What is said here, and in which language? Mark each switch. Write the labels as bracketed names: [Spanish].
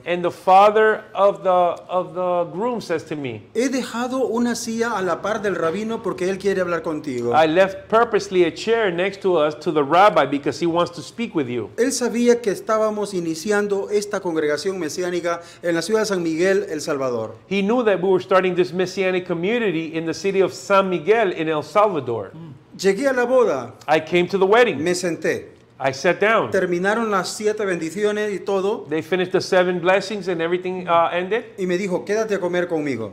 [English] And the father of the groom says to me. [Spanish] He dejado una silla a la par del rabino porque él quiere hablar contigo. [English] I left purposely a chair next to us to the rabbi because he wants to speak with you. [Spanish] Él sabía que estábamos iniciando esta congregación mesiánica en la ciudad de San Miguel, El Salvador. [English] He knew that we were starting this messianic community in the city of San Miguel in El Salvador. [Spanish] Llegué a la boda. [English] I came to the wedding. [Spanish] Me senté. [English] I sat down. [Spanish] Terminaron las siete bendiciones y todo. [English] They finished the seven blessings and everything ended. [Spanish] Y me dijo, quédate a comer conmigo.